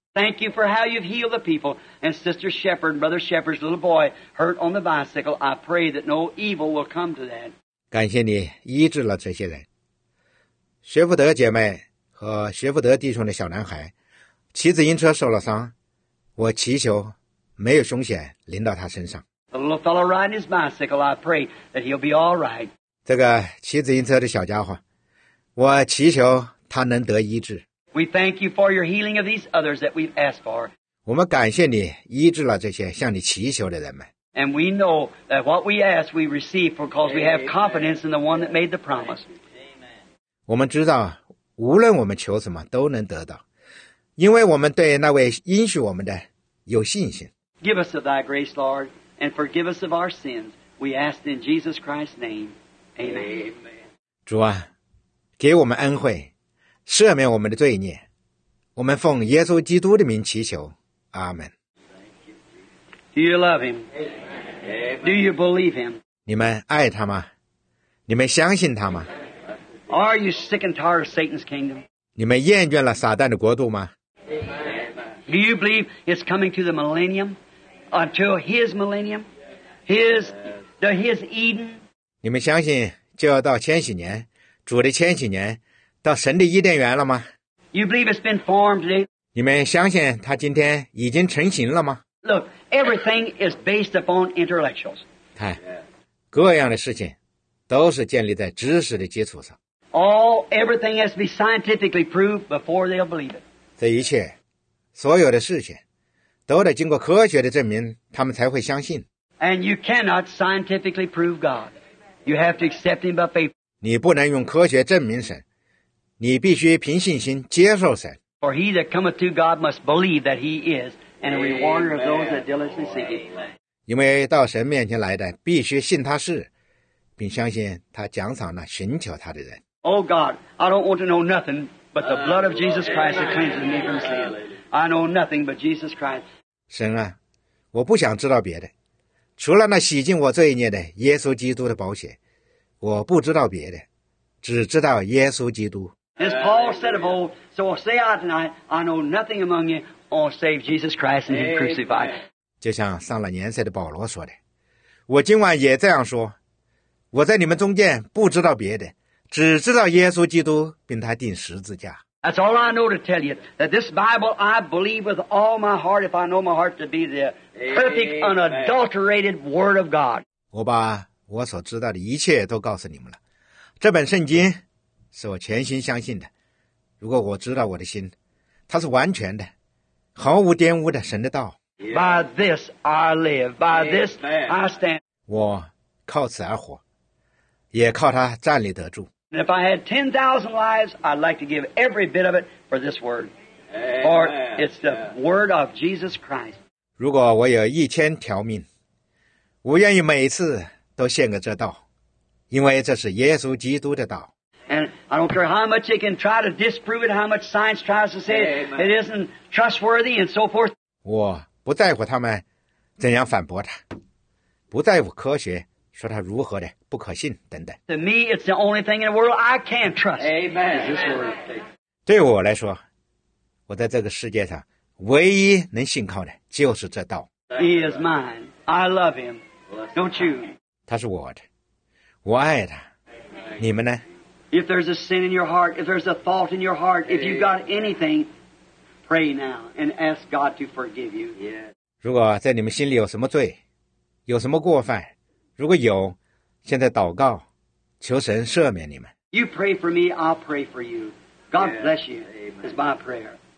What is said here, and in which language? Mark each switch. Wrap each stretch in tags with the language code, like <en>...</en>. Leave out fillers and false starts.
<en>Thank you for how you've healed the people and Sister Shepherd, Brother Shepherd's little boy hurt on the bicycle. I pray that no evil will come to that.</en> <zh>感谢你医治了这些人。学福德姐妹和学福德弟兄的小男孩骑自行车受了伤，我祈求没有凶险临到他身上。</zh> <en>The little fellow riding his bicycle, I pray that he'll be all right.</en> <zh>这个骑自行车的小家伙，我祈求他能得医治。</zh> <en>We thank you for your healing of these others that we've asked for.</en> <zh>我们感谢你医治了这些向你祈求的人们。</zh> <en>And we know that what we ask, we receive because we have confidence in the one that made the promise.</en> <zh>我们知道，无论我们求什么都能得到，因为我们对那位应许我们的有信心。</zh> <en>Give us of thy grace, Lord, and forgive us of our sins. We ask in Jesus Christ's name. Amen.</en> <zh>主啊，给我们恩惠，赦免我们的罪孽，我们奉耶稣基督的名祈求，阿门。</zh> <en>Do you love him? Do you believe him?</en> <zh>你们爱他吗？你们相信他吗？</zh> <en>Are you sick and tired of Satan's kingdom?</en> <zh>你们厌倦了撒旦的国度吗？</zh> <en>Do you believe it's coming to the millennium, until his millennium, his Eden?</en> <zh>你们相信就要到千禧年，主的千禧年？到神的伊甸园了吗？</zh> <en>You believe it's been formed today?</en> <zh>你们相信他今天已经成型了吗？</zh> <en>Look, everything is based upon intellectuals.</en> <zh>看，各样的事情都是建立在知识的基础上。</zh> <en>All everything has to be scientifically proved before they'll believe it.</en> <zh>这一切，所有的事情，都得经过科学的证明，他们才会相信。</zh> <en>And you cannot scientifically prove God. You have to accept him by faith.</en> <zh>你不能用科学证明神。你必须凭信心接受神。</zh> <en>For he that cometh to God must believe that he is, and a rewarder of those that diligently seek him.</en> <zh>因为到神面前来的必须信他是，并相信他奖赏那寻求他的人。</zh> <en>Oh God, I don't want to know nothing but the blood of Jesus Christ that cleanses me from sin. I know nothing but Jesus Christ.</en> <zh>神啊，我不想知道别的，除了那洗净我罪孽的耶稣基督的宝血，我不知道别的，只知道耶稣基督。</zh> <en>As Paul said of old, so I say I tonight, I know nothing among you, all save Jesus Christ and Him crucified.</en> <zh>就像上了年岁的保罗说的，我今晚也这样说，我在你们中间不知道别的，只知道耶稣基督并他钉十字架。</zh> <en>That's all I know to tell you, that this Bible I believe with all my heart, if I know my heart to be the perfect, unadulterated Word of God.</en> <zh>我把我所知道的一切都告诉你们了，这本圣经是我全心相信的，如果我知道我的心它是完全的毫无玷污的神的道。</zh> <en>By this I live, by this I stand.</en> <zh>我靠此而活，也靠它站立得住。</zh> <en>And if I had 10,000 lives, I'd like to give every bit of it for this word. For it's the word of Jesus Christ.</en> <zh>如果我有1000条命，我愿意每次都献给这道，因为这是耶稣基督的道。</zh> <en>And I don't care how much they can try to disprove it, how much science tries to say it isn't trustworthy and so forth.</en> <zh>我不在乎他们怎样反驳他，不在乎科学说他如何的不可信等等。</zh> <en>To me, it's the only thing in the world I can trust. Amen. Is this word.</en> <zh>对我来说，我在这个世界上唯一能信靠的就是这道。</zh> <en>He is mine. I love him. Don't you?</en> <zh>他是我的，我爱他。你们呢？</zh> <en>If there's a sin in your heart, if there's a thought in your heart, if you've got anything, pray now and ask God to forgive you.</en> <zh>如果在你们心里有什么罪，有什么过犯，如果有，现在祷告，求神赦免你们。</zh> <en>You pray for me, I'll pray for you. God bless you is my prayer.</en>